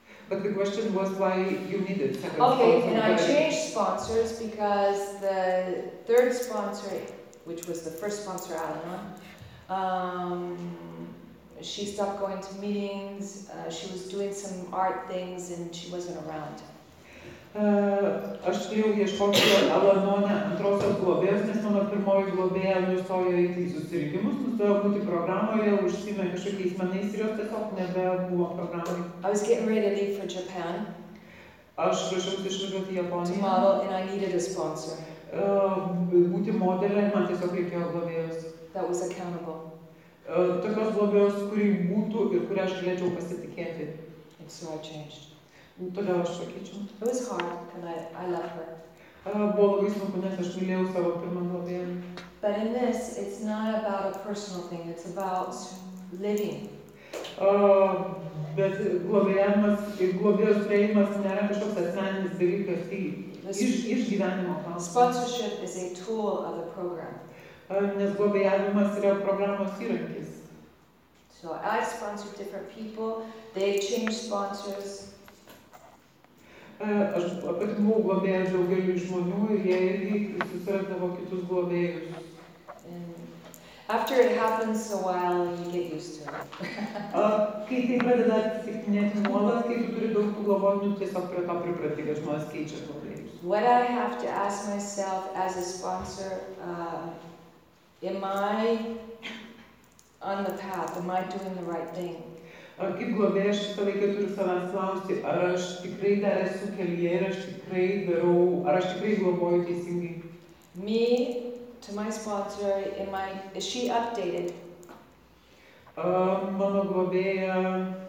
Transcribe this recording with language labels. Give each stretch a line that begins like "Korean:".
English: But the question was why you needed second sponsor. Okay, and I changed sponsors because the third sponsor, which was the first sponsor, Al-Anon, she stopped going to meetings, she was doing some art things and she wasn't around.
Lithuanian: Aš turėjau ieškoti Al-Anone antrosios globėjos, nes mano pirmoji globėja nustojo eiti į susirinkimus, nustojo būti programoje, užsiėmė kažkokiais menais ir jos tiesiog nebebuvo programoje.
English: I was getting ready to leave for Japan.
Lithuanian: Aš ruošiausi išvažiuoti į Japoniją.
English: To model and I needed a sponsor.
Lithuanian: Būti modelė, man tiesiog reikėjo globėjos.
English: That was accountable.
Lithuanian: Tokios globėjos, kuri būtų ir kurią aš galėčiau pasitikėti.
English: And so I changed.
Lithuanian: Todėl aš sakyčiau.
English: It was hard, and I love her.
Lithuanian: Buvo labai sunku, nes aš mylėjau savo pirmą globėją.
English: But in this, it's not about a personal thing, it's about living.
Lithuanian: Bet globėjimas ir globėjos priėjimas nėra kažkoks asmeninis dalykas, tai išgyvenimo klausimas.
English: Sponsorship is a tool of the program.
Lithuanian: Nes globėjimas yra programos įrankis.
English: So I sponsor different people, they change sponsors.
Lithuanian: Aš apatimu globėjęs daugelį žmonių ir jie irgi susirastavo kitus globėjus.
English: After it happens a while, you get used to it.
Lithuanian: Kai tai pradeda atsitikinėti nuolat, kai tu turi daug tų globonių, tiesiog prie to priprati, kad žmonės keičia globėjus.
English: What I have to ask myself as a sponsor, am I on the path? Am I doing the right thing?
Lithuanian: Ar kaip globėjai, aš visą laiką turiu savęs klausti, ar aš tikrai dar esu kelyje ir aš tikrai darau, ar aš tikrai globoju teisingai?
English: Me, to my sponsor, is she updated?
Lithuanian: Mano globėja.